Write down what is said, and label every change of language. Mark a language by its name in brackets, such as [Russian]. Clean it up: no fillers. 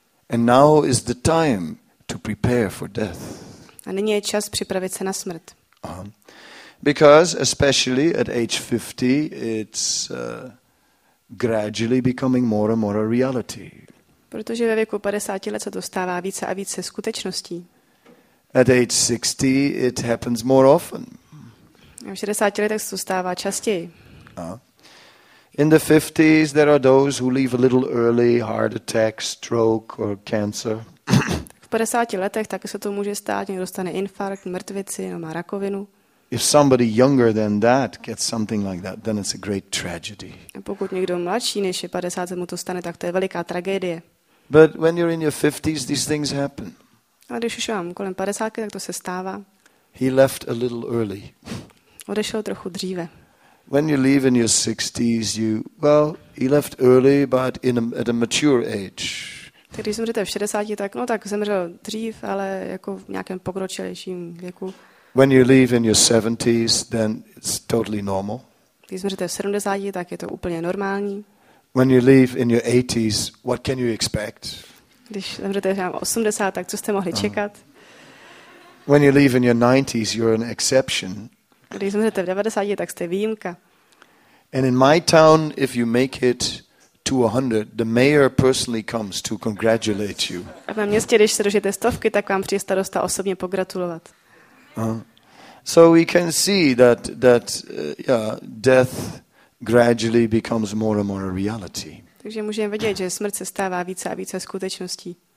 [English] And now is the time to prepare for death. [Czech] A nyní je čas připravit se na smrt. Uh-huh. [English] Because especially at age 50 it's gradually becoming more and more a reality. [Czech] Protože ve věku 50 let se to stává více a více skutečností. [English] At age 60 it happens more often. [Czech] V 60 letech se to stává častěji. [English] In the 50s there are those who leave a little early, heart attack, stroke or cancer. [Czech] V 50 letech taky se to může stát, někdo dostane infarkt, mrtvici, no má rakovinu. [English] If somebody younger than that gets something like that, then it's a great tragedy. [Czech] A pokud někdo mladší než je 50, mu to stane, tak to je veliká tragédie. [English] But when you're in your 50s these things happen. [Czech] A když už mám kolem 50, tak to se stává. [English] He left a little early. [Czech] Odešel trochu dříve. [English] When you leave in your 60s, he left early, but at a mature age. [Czech] Když zemřete v 60, tak zemřel dřív, ale jako v nějakém pokročilejším věku. [English] When you leave in your 70s, then it's totally normal. [Czech] Když zemřete v 70, tak je to úplně normální. [English] When you leave in your 80s, what can you expect? [Czech] Když zemřete v 80, tak co jste mohli čekat? [English] When you leave in your 90s, you're an exception. [Czech] Když zemřete v 90, tak jste výjimka. [English] And in my town, if you make it to 100, the mayor personally comes to congratulate you. [Czech] A na městě, když se dožijete stovky, tak vám přijde starosta osobně pogratulovat. [English] So we can see that death gradually becomes more and more a reality. [Czech] Takže můžeme vidět, že smrt se stává více a více skutečností.